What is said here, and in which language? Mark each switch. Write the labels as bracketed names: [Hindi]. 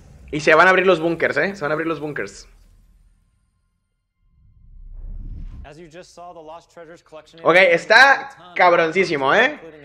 [Spanish] Y se van a abrir los bunkers, ¿eh? Se van a abrir los bunkers. [English] As you just saw, the Lost Treasures collection... [Spanish] Ok, está cabroncísimo, ¿eh?